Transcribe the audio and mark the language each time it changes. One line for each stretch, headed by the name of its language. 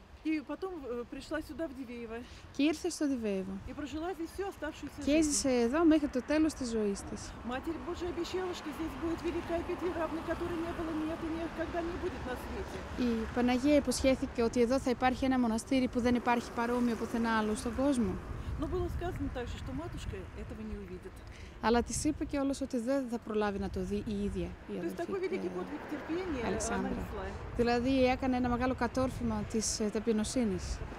Russian: И потом пришла сюда в Дивеево.
Greek: Και ήρθε στο Διβέιβο.
Russian: И прожила здесь всю оставшуюся жизнь.
Greek: Και έζησε εδώ μέχρι το τέλος της ζωής της.
Russian: Матерь Божия обещала, что здесь будет великая Петлюра, на которой не было нет и никогда не будет на свете.
Greek: Η Παναγία υποσχέθηκε ότι εδώ θα υπάρχει ένα μοναστήρι που δεν υπάρχει παρόμοιο πουθενά άλλο στον κόσμο.
Russian: Но было сказано также, что матушка этого не увидит.
Greek: Αλλά της είπε και όλος ότι δεν θα προλάβει να το δει η ίδια η αδελφή Αλεξάνδρα. Δηλαδή έκανε ένα μεγάλο κατόρφημα της ταπεινοσύνης.